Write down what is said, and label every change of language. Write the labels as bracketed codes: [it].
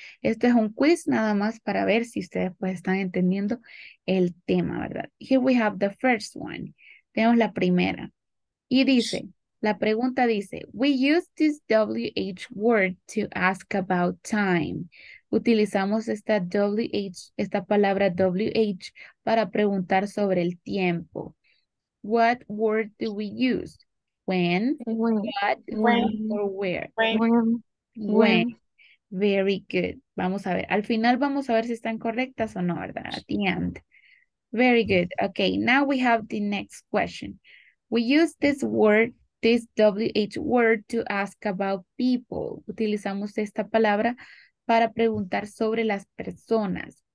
[es] Este es un quiz nada más para ver si ustedes pues están entendiendo el tema, ¿verdad? [en] Here we have the first one. [es] Tenemos la primera. Y dice, la pregunta dice, [en] we use this WH word to ask about time. [es] Utilizamos esta WH, esta palabra WH para preguntar sobre el tiempo. [en] What word do we use? When, what, when, or where? When. Very good. [es] Vamos a ver. Al final vamos a ver si están correctas o no, ¿verdad? [en] At the end. Very good. Okay, now we have the next question. We use this word, this WH word, to ask about people. [es] Utilizamos esta palabra para preguntar sobre las personas.